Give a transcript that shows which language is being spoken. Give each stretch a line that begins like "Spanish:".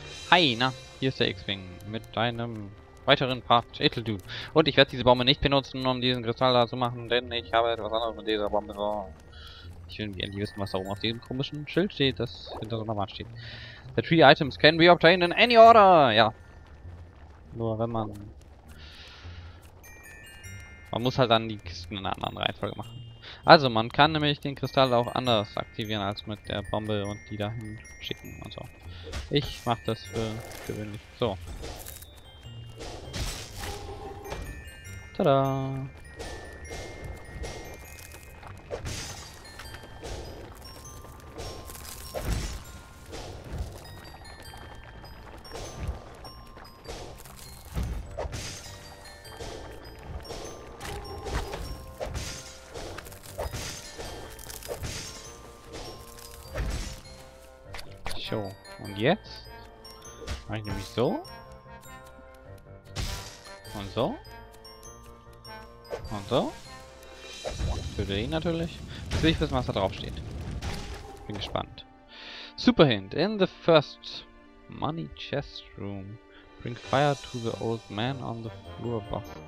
German: Hi, na, hier ist der X-Wing mit deinem weiteren Part, Etel-Du. Und ich werde diese Bombe nicht benutzen, um diesen Kristall da zu machen, denn ich habe etwas anderes mit dieser Bombe. Oh. Ich will endlich wissen, was da oben auf diesem komischen Schild steht, das hinter so einer Wand steht.
English: The three items can be obtained in any order!
German: Ja. Nur wenn man... Man muss halt dann die Kisten in einer anderen Reihenfolge machen. Also, man kann nämlich den Kristall auch anders aktivieren als mit der Bombe und die dahin schicken und so. Ich mach das für gewöhnlich so. Tada! Jetzt mache ich nämlich so und so und so für den natürlich. Jetzt will ich wissen, was da drauf steht. Bin gespannt.
English: Super Hint: In the first money chest room, bring fire to the old man on the floor above.